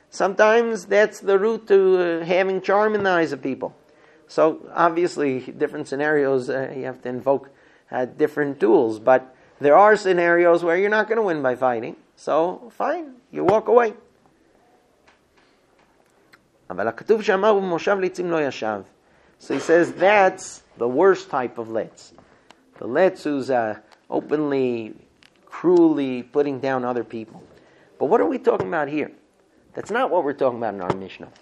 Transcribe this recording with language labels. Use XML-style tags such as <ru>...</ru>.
<en>Sometimes that's the route to having charm in the eyes of people. So obviously, different scenarios, you have to invoke different tools. But there are scenarios where you're not going to win by fighting. So, fine, you walk away.</en> <he>אבל הכתוב שאמר הוא מושב ליצים לא ישב.</he> <en>So he says, that's the worst type of letz. The letz who's openly, cruelly putting down other people. But what are we talking about here? That's not what we're talking about in our Mishnah.</en>